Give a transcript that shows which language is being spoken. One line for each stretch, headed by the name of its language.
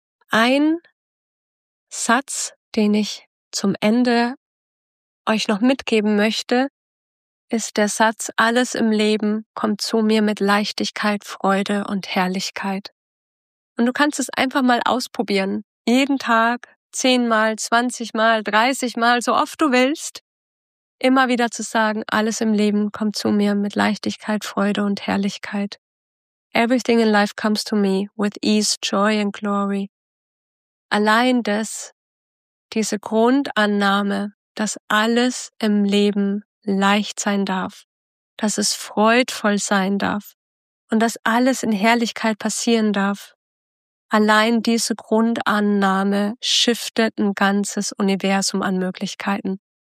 German: Ein Satz, den ich zum Ende euch noch mitgeben möchte, ist der Satz, alles im Leben kommt zu mir mit Leichtigkeit, Freude und Herrlichkeit. Und du kannst es einfach mal ausprobieren. Jeden Tag, 10-mal, 20-mal, 30-mal, so oft du willst. Immer wieder zu sagen, alles im Leben kommt zu mir mit Leichtigkeit, Freude und Herrlichkeit.
English: Everything in life comes to me with ease, joy and glory.
German: Allein das, diese Grundannahme, dass alles im Leben leicht sein darf, dass es freudvoll sein darf und dass alles in Herrlichkeit passieren darf, allein diese Grundannahme shiftet ein ganzes Universum an Möglichkeiten.